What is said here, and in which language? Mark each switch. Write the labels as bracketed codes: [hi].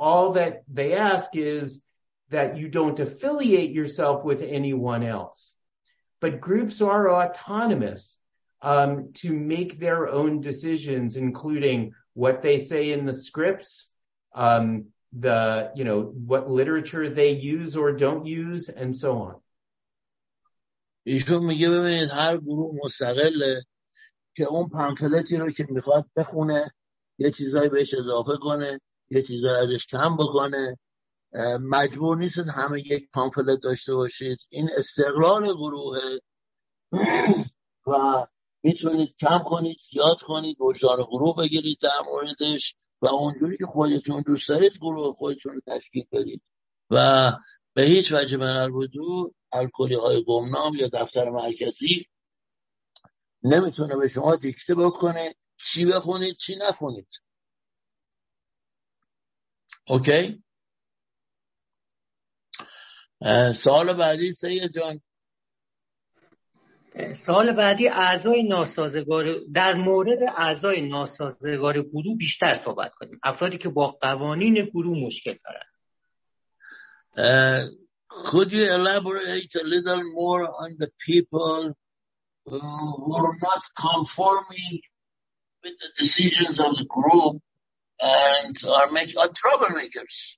[en] All that they ask is that you don't affiliate yourself with anyone else. But groups are autonomous to make their own decisions, including what they say in the scripts, what literature they use or don't use, and so on. [fa] ایشون میگه ببینید هر گروه مستقله که اون پنفلتی رو که میخواد بخونه، یه چیزایی بهش اضافه کنه، یه چیزایی ازش کم بکنه. مجبور نیست همه یک پنفلت داشته باشید. این استقلال گروهه و میتونید کم کنید، زیاد کنید، وجدان گروه بگیرید در موردش و اونجوری که خودتون دوست دارید گروه خودتون رو تشکیل بدید و به هیچ وجه من البدو الکلی های گمنام یا دفتر مرکزی نمیتونه به شما دیکته بکنه چی بخونید چی نخونید. [en] Okay. [fa] سوال بعدی سید جان. سوال بعدی اعضای ناسازگار، در مورد اعضای ناسازگار گروه بیشتر صحبت کنیم، افرادی که با قوانین گروه مشکل دارن. [en] Could you elaborate a little more on the people who are not conforming with the decisions of the group and are troublemakers?